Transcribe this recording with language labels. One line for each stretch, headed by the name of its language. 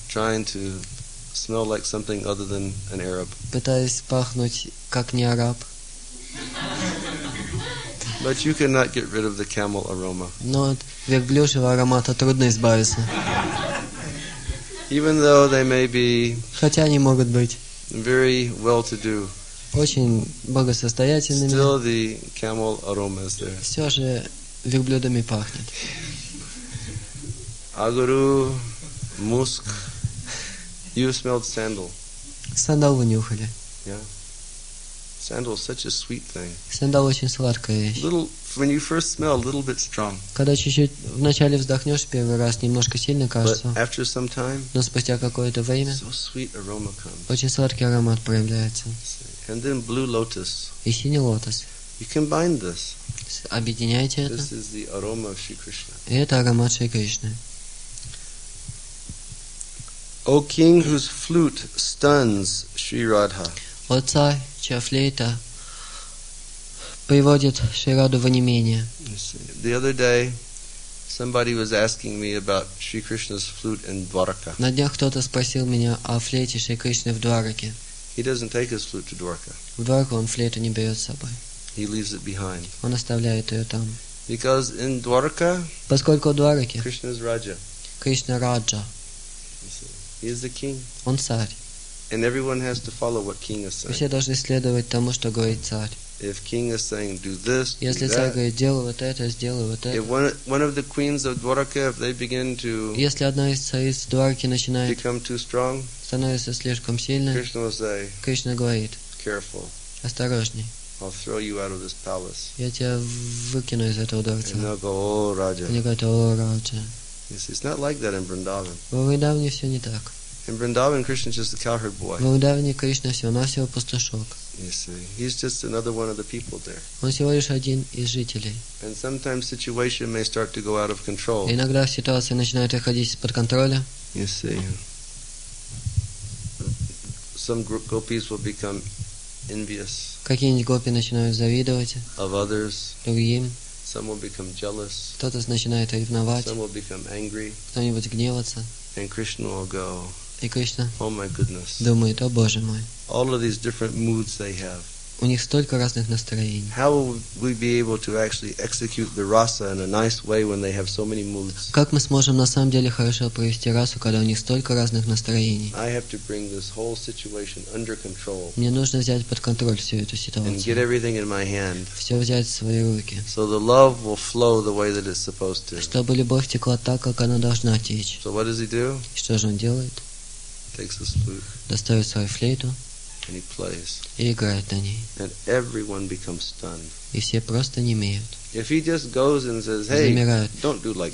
English: Trying to smell like something other than an Arab.
Russian: Пытаясь пахнуть как не араб.
English: But you cannot get rid of the camel aroma.
Russian: Но от верблюжьего аромата трудно избавиться.
English: Even though they may be.
Russian: Хотя они могут быть.
English: Very well-to-do.
Russian: Очень благосостоятельными.
English: Still the camel aroma is there.
Russian: Все же верблюдами пахнет.
English: Агуру, муск. You smelled sandal.
Russian: Сандал вы нюхали.
English: Yeah. Sandal is such a sweet thing.
Russian: Сандал очень сладкая вещь.
English: Little, when you first smell, a little bit strong.
Russian: Когда чуть-чуть вначале вздохнешь первый раз, немножко сильно кажется.
English: But after some time,
Russian: но спустя какое-то время,
English: so sweet aroma comes.
Russian: Очень сладкий аромат проявляется.
English: And then blue lotus.
Russian: И синий лотос.
English: You combine this.
Russian: Объединяйте это.
English: This is the aroma of Shri Krishna.
Russian: И это аромат Шри Кришны.
English: O king whose flute stuns Shri Radha.
Russian: О царь, чья флейта приводит Шри Раду в онемение.
English: The other day, somebody was asking me about Shri Krishna's flute in Dwaraka.
Russian: На днях кто-то спросил меня о флейте Шри Кришны в Двараке.
English: He doesn't take his flute to Dwaraka.
Russian: В Двараку он флейту не берет с собой.
English: He leaves it behind.
Russian: Он оставляет ее там.
English: Because in Dwaraka,
Russian: поскольку в Двараке,
English: Krishna is Raja.
Russian: Кришна Раджа.
English: He is the king.
Russian: Он царь.
English: And everyone has to follow what king is saying.
Russian: Все должны следовать тому, что говорит царь.
English: If king is saying do this, do that.
Russian: Если царь говорит делай вот это, сделай вот это.
English: If one of the queens of Dwaraka, if they begin to.
Russian: Если одна из цариц Двараки начинает.
English: Become too strong.
Russian: Становится слишком сильной.
English: Krishna will say.
Russian: Кришна говорит.
English: Careful.
Russian: Осторожней.
English: I'll throw you out of this palace.
Russian: Я тебя выкину из этого дворца.
English: And they'll go, oh, Raja.
Russian: Они говорят, о, Раджа.
English: It's not like that in Vrindavan.
Russian: В Вриндаване все не так.
English: In Vrindavan, Krishna's just a cowherd boy.
Russian: В Вриндаване Кришна всего-навсего пастушок.
English: You see, he's just another one of the people there.
Russian: Он всего лишь один из жителей.
English: And sometimes situation may start to go out of control.
Russian: Иногда ситуация начинает выходить из-под контроля.
English: You see, some gopis will become envious.
Russian: Какие-нибудь гопи начинают завидовать.
English: Of others.
Russian: Другим.
English: Some will become jealous.
Russian: Кто-то начинает ревновать.
English: Some will become angry.
Russian: Кто-нибудь гневаться.
English: And Krishna will go.
Russian: И Кришна.
English: Oh my goodness.
Russian: Думает, о Боже мой.
English: All of these different moods they have.
Russian: У них столько разных настроений.
English: How will we be able to actually execute the rasa in a nice way when they have so many moods?
Russian: Как мы сможем на самом деле хорошо провести расу, когда у них столько разных настроений?
English: I have to bring this whole situation under control.
Russian: Мне нужно взять под контроль всю эту ситуацию.
English: And get everything in my hand.
Russian: Все взять в свои руки.
English: So the love will flow the way that it's supposed to.
Russian: Чтобы любовь текла так, как она должна течь.
English: So what does he do?
Russian: Что же он делает?
English: Takes his flute.
Russian: Достает свою флейту.
English: And he plays.
Russian: И играет на ней.
English: And everyone becomes stunned.
Russian: И все просто немеют.
English: If he just goes and says, "Hey,
Russian: замирают.
English: Don't do like